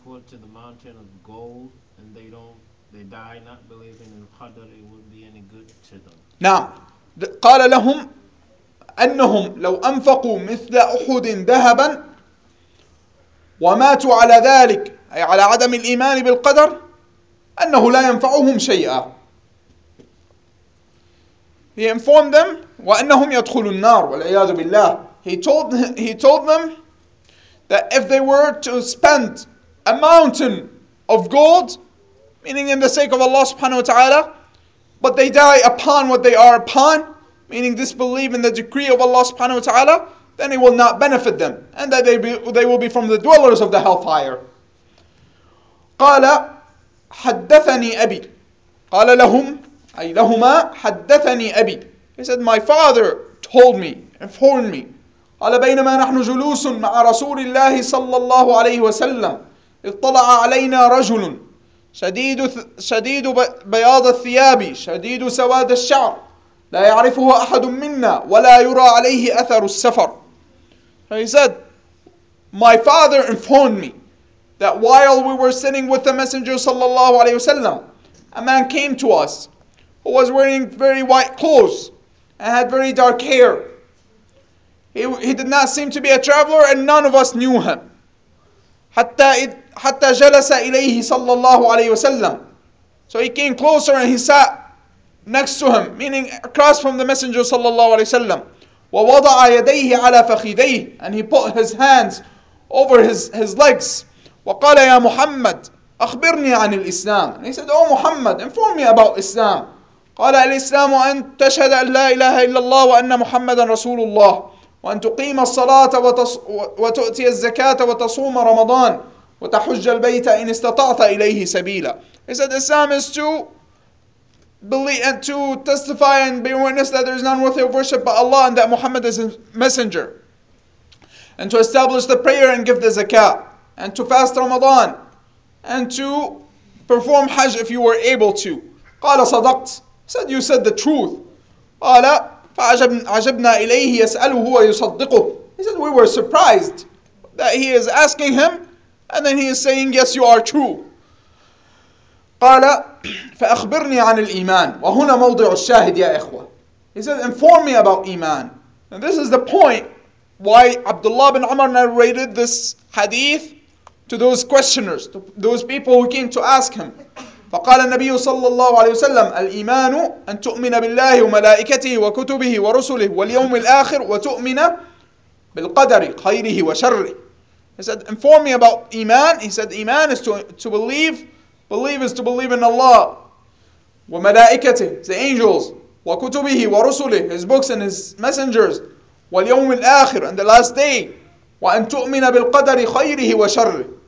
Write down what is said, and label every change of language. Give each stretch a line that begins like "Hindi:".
English: To the mountain of gold, and they die not believing in Qadr, it would be any good to them.
Arabic: نعم, قال لهم أنهم لو أنفقوا مثل أحد ذهبا وماتوا على ذلك, أي على عدم الإيمان بالقدر, أنه لا ينفعهم شيئا.
English: He informed them
Arabic: وأنهم يدخلوا النار والعياذ بالله.
English: He told them that if they were to spend a mountain of gold, meaning in the sake of Allah subhanahu wa ta'ala, but they die upon what they are upon, meaning disbelieve in the decree of Allah subhanahu wa ta'ala, then it will not benefit them, and that they will be from the dwellers of the hellfire.
Arabic: قال حدثني أبي, قال لهم أي لهما حدثني أبي.
English: He said my father told me, informed me.
Arabic: قال بينما نحن جلوس مع رسول الله صلى الله عليه وسلم اطلع علينا رجل شديد بياض الثياب شديد سواد الشعر لا يعرفه أحد منا ولا يرى عليه أثر السفر.
English: He said, my father informed me that while we were sitting with the messenger صلى الله عليه وسلم, a man came to us who was wearing very white clothes and had very dark hair. He did not seem to be a traveler and none of us knew him.
Arabic: حتى جلس إليه صلى الله عليه وسلم.
English: So he came closer and he sat next to him, meaning across from the messenger صلى الله عليه وسلم.
Arabic: ووضع يديه على فخذيه,
English: and he put his hands over his legs.
Arabic: وقال يا محمد أخبرني عن الإسلام.
English: He said, oh Muhammad, inform me about Islam.
Arabic: قال الإسلام أن تشهد أن لا إله إلا الله وأن محمدا رسول الله وأن تقيم الصلاة وتؤتي الزكاة وتصوم رمضان وتحج البيت إن استطعت إليه سبيلا.
English: He said, Islam is to believe and to testify and be witness that there is none worthy of worship but Allah and that Muhammad is his messenger. And to establish the prayer and give the zakah. And to fast Ramadan. And to perform Hajj if you were able to.
Arabic: قال صدقت.
English: Said, you said the truth.
Arabic: قال فعجبنا إليه يسأله ويصدقه.
English: He said, we were surprised that he is asking him. And then he is saying, yes, you are true.
Arabic: قال فأخبرني عن الإيمان. وهنا موضع الشاهد يا إخوة.
English: He said, inform me about Iman. And this is the point why Abdullah bin Umar narrated this hadith to those questioners, to those people who came to ask him.
Arabic: فقال النبي صلى الله عليه وسلم الإيمان أن تؤمن بالله وملائكته وكتبه ورسله واليوم الآخر وتؤمن بالقدر خيره وشره.
English: He said, inform me about Iman. He said, Iman is to believe. Believe is to believe in Allah. وملائكته, the angels.
Arabic: وكتبه ورسله,
English: his books and his messengers.
Arabic: واليوم الآخر,
English: and the last day.
Arabic: وأن تؤمن بالقدر خيره وشره.